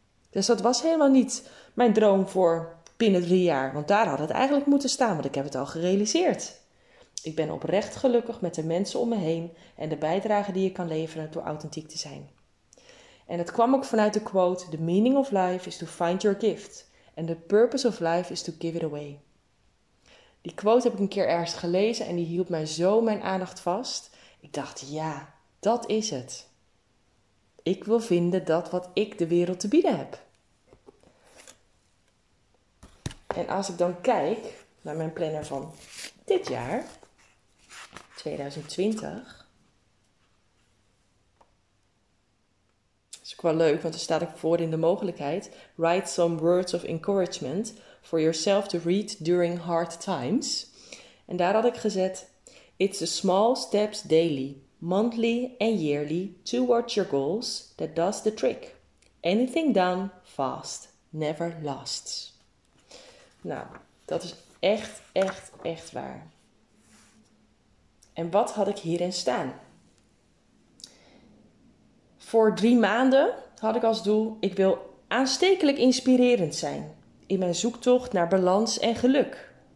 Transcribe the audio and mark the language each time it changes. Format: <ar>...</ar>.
<nl>Dus dat was helemaal niet mijn droom voor binnen 3 jaar. Want daar had het eigenlijk moeten staan, want ik heb het al gerealiseerd. Ik ben oprecht gelukkig met de mensen om me heen en de bijdrage die ik kan leveren door authentiek te zijn. En dat kwam ook vanuit de quote:</nl> <en>The meaning of life is to find your gift. And the purpose of life is to give it away.</en> <nl>Die quote heb ik een keer ergens gelezen en die hield mij zo mijn aandacht vast. Ik dacht, ja, dat is het. Ik wil vinden dat wat ik de wereld te bieden heb. En als ik dan kijk naar mijn planner van dit jaar, 2020... Dat is ook wel leuk, want er staat ook voor in de mogelijkheid.</nl> <en>Write some words of encouragement for yourself to read during hard times.</en> <nl>En daar had ik gezet:</nl> <en>It's the small steps daily, monthly and yearly towards your goals that does the trick. Anything done fast never lasts.</en> <nl>Nou, dat is echt, echt, echt waar. En wat had ik hierin staan? Voor 3 maanden had ik als doel, ik wil aanstekelijk inspirerend zijn in mijn zoektocht naar balans en geluk.</nl>